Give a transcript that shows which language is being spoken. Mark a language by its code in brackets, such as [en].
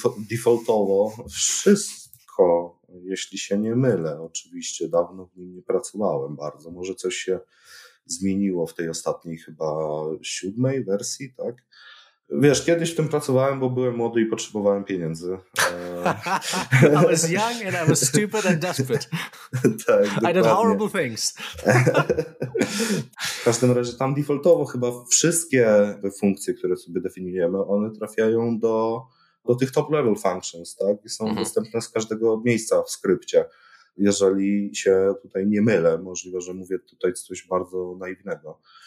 [pl] Defaultowo wszystko, jeśli się nie mylę, oczywiście dawno w nim nie pracowałem bardzo, może coś się zmieniło w tej ostatniej chyba 7 wersji, tak? Wiesz, kiedyś w tym pracowałem, bo byłem młody i potrzebowałem pieniędzy. [en] I was young and I was stupid and desperate. [pl] Tak, dokładnie. [en] I did horrible things. [pl] W każdym razie tam defaultowo chyba wszystkie funkcje, które sobie definiujemy, one trafiają do tych top level functions, tak? I są dostępne z każdego miejsca w skrypcie. Jeżeli się tutaj nie mylę, możliwe, że mówię tutaj coś bardzo naiwnego.